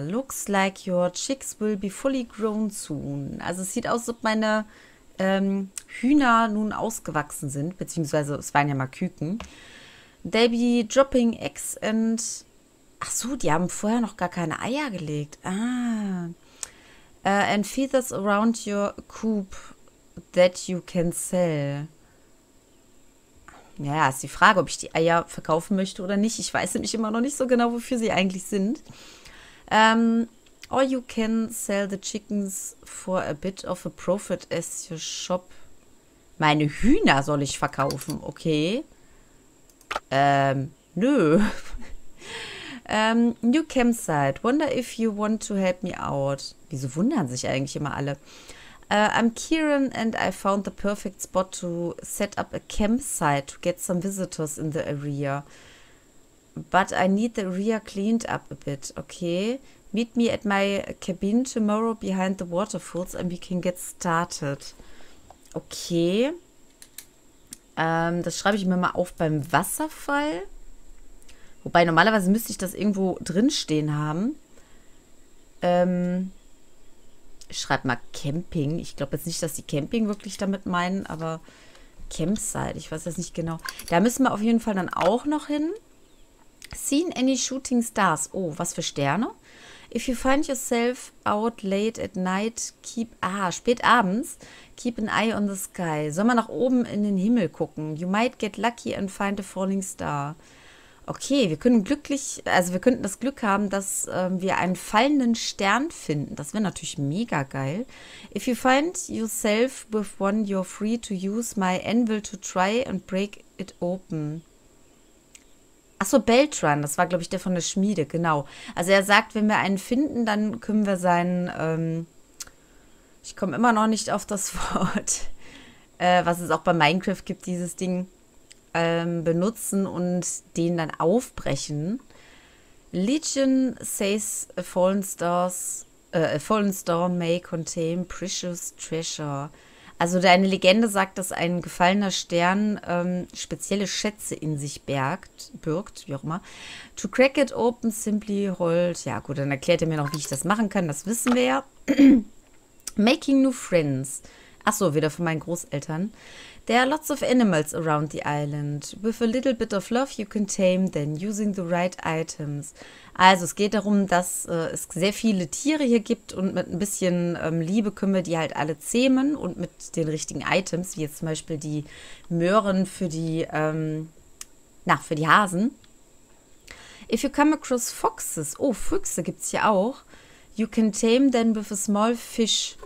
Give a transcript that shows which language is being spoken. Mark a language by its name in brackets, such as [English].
[English] Looks like your chicks will be fully grown soon. [German] Also es sieht aus, als ob meine Hühner nun ausgewachsen sind, beziehungsweise es waren ja mal Küken. [English] They'll be dropping eggs and... [German] Achso, die haben vorher noch gar keine Eier gelegt. [English] And feathers around your coop that you can sell. [German] Ja, ist die Frage, ob ich die Eier verkaufen möchte oder nicht. Ich weiß nämlich immer noch nicht so genau, wofür sie eigentlich sind. [English] Or you can sell the chickens for a bit of a profit as your shop. [German] Meine Hühner soll ich verkaufen, okay. [English] Nö. new campsite. Wonder if you want to help me out. [German] Wieso wundern sich eigentlich immer alle? [English] I'm Kieran and I found the perfect spot to set up a campsite to get some visitors in the area. But I need the area cleaned up a bit, okay. Meet me at my cabin tomorrow behind the waterfalls and we can get started. Okay. [German] Das schreibe ich mir mal auf beim Wasserfall. Wobei, normalerweise müsste ich das irgendwo drinstehen haben. Ich schreibe mal Camping. Ich glaube jetzt nicht, dass die Camping wirklich damit meinen, aber Campsite, ich weiß das nicht genau. Da müssen wir auf jeden Fall dann auch noch hin. [English] Seen any shooting stars? [German] Oh, was für Sterne? [English] If you find yourself out late at night, keep... [German] Ah, spät abends. [English] Keep an eye on the sky. [German] Soll man nach oben in den Himmel gucken? [English] You might get lucky and find a falling star. [German] Okay, wir können glücklich... Also wir könnten das Glück haben, dass wir einen fallenden Stern finden. Das wäre natürlich mega geil. [English] If you find yourself with one, you're free to use my anvil to try and break it open. [German] Achso, Beltran, das war, glaube ich, der von der Schmiede, genau. Also er sagt, wenn wir einen finden, dann können wir seinen, ich komme immer noch nicht auf das Wort, was es auch bei Minecraft gibt, dieses Ding, benutzen und den dann aufbrechen. [English] Legion says a fallen star may contain precious treasure. [German] Also deine Legende sagt, dass ein gefallener Stern spezielle Schätze in sich birgt, wie auch immer. [English] To crack it open, simply hold. [German] Ja gut, dann erklärt er mir noch, wie ich das machen kann. Das wissen wir ja. [English] Making new friends. [German] Achso, wieder von meinen Großeltern. [English] There are lots of animals around the island. With a little bit of love, you can tame them using the right items. [German] Also es geht darum, dass es sehr viele Tiere hier gibt und mit ein bisschen Liebe können wir die halt alle zähmen und mit den richtigen Items, wie jetzt zum Beispiel die Möhren für die Hasen. [English] If you come across foxes, [German] oh, Füchse gibt es hier auch, [English] you can tame them with a small fish.